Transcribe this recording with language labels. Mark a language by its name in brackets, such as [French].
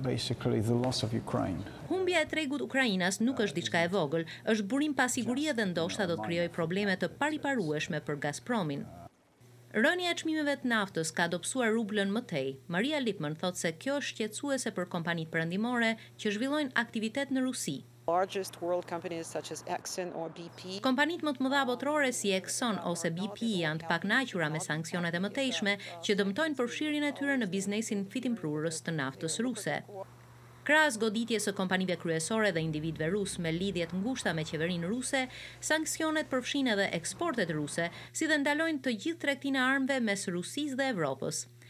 [Albanian] Humbja e tregut Ukrainas nuk është diçka e vogël, është burim pasigurie dhe ndoshta do të krijojë probleme të paripërueshme për Gazpromin. Rënia e çmimeve të naftës ka dobësuar rublën më tej. Maria Lipman thotë se kjo është shqetësuese për kompanitë perëndimore që zhvillojnë aktivitet në Rusi. [English] Largest world companies such as Exxon or BP. [Albanian] Kompanitë më të mëdha botërore si Exxon ose BP janë të pakënaqura me sanksionet e mëtejshme që dëmtojnë përfshirjen e tyre në biznesin fitimprurës të naftës ruse. Krahas goditjes së kompanive kryesore dhe individëve rusë me lidhje të ngushta me qeverinë ruse, sanksionet përfshin edhe eksportet ruse, si dhe ndalojnë të gjithë tregtinë e armëve mes Rusisë dhe Evropës.